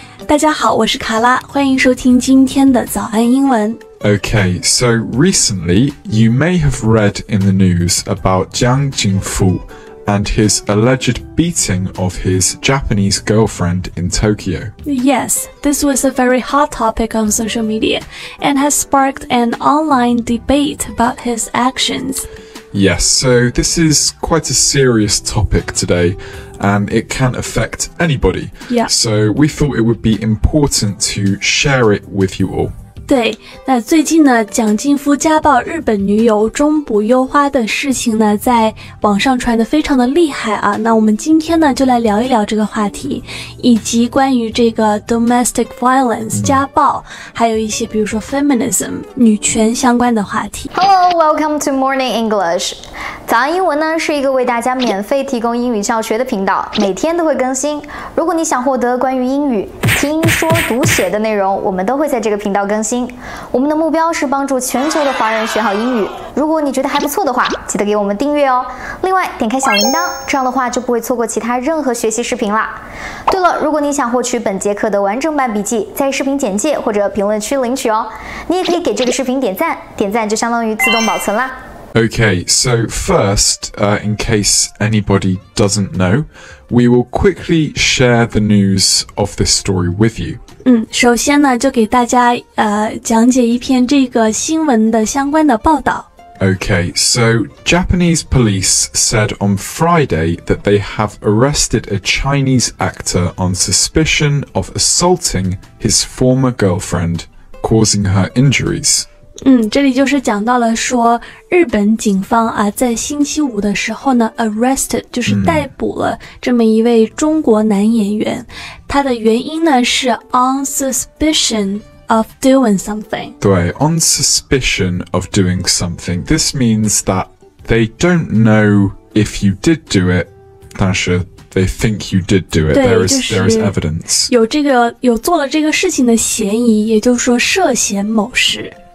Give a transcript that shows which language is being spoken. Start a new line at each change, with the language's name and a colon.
Chinese: 大家好，我是卡拉，欢迎收听今天的早安英文。
English: Okay, so recently you may have read in the news about 江景福 and his alleged beating of his Japanese girlfriend in Tokyo. Yes, this was a very hot topic on social media and has sparked an online debate about his actions. Yes, so this is quite a serious topic today, and it can affect anybody. Yeah. So we thought it would be important to share it with you all.
Chinese: 对，那最近呢，蒋劲夫家暴日本女友中不优花的事情呢，在网上传得非常的厉害啊。那我们今天呢，就来聊一聊这个话题，以及关于这个 domestic violence 家暴，还有一些比如说 feminism 女权相关的话题。
English: Hello, welcome to Morning English.
Chinese: 早安英文呢，是一个为大家免费提供英语教学的频道，每天都会更新。如果你想获得关于英语听说读写的内容，我们都会在这个频道更新。我们的目标是帮助全球的华人学好英语。如果你觉得还不错的话，记得给我们订阅哦。另外，点开小铃铛，这样的话就不会错过其他任何学习视频了。对了，如果你想获取本节课的完整版笔记，在视频简介或者评论区领取哦。你也可以给这个视频点赞，点赞就相当于自动保存啦。
English: Okay, so first, in case anybody doesn't know, we will quickly share the news of this story with you.
Chinese: 首先呢，就给大家讲解一篇这个新闻的相关的报道。
English: Okay, so Japanese police said on Friday that they have arrested a Chinese actor on suspicion of assaulting his former girlfriend, causing her injuries.
Chinese: 这里就是讲到了说日本警方啊在星期五的时候呢 arrested 就是逮捕了这么一位中国男演员他的原因呢是
English: on suspicion of doing something
Chinese: 对
English: on suspicion of doing something this means that they don't know if you did do it 但是They think you did do it. There is evidence.
Chinese: 有这个有做了这个事情的嫌疑，也就是说涉嫌某事。